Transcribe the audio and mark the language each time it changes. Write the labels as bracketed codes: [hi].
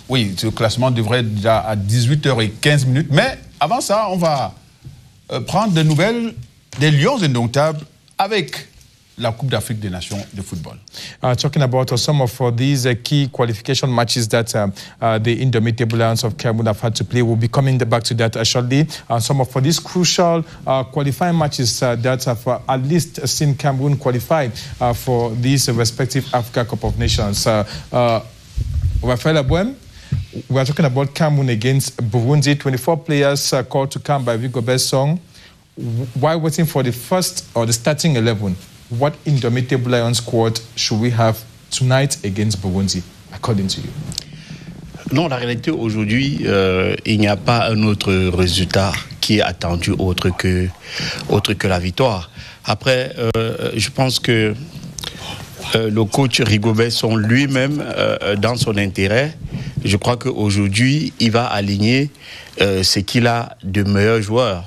[fr] Oui, ce classement devrait être déjà à 18h15, mais avant ça, on va prendre des nouvelles des Lions indomptables avec la Coupe d'Afrique des Nations de football. [en] Talking about some of these key qualification matches that the Indomitable Lions of Cameroon have had to play, we'll be coming back to that shortly. Some of these crucial qualifying matches that have at least seen Cameroon qualify for these respective Africa Cup of Nations. Raphael Abouem, we are talking about Cameroon against Burundi. 24 players called to come by Rigobert Song. Why waiting for the first or the starting 11? What Indomitable Lions squad should we have tonight against Burundi, according to you? [fr] Non, la réalité aujourd'hui, il n'y a pas un autre résultat qui est attendu autre que la victoire. Après, je pense que le coach Rigobert Song lui-même, dans son intérêt, je crois qu'aujourd'hui, il va aligner ce qu'il a de meilleurs joueurs.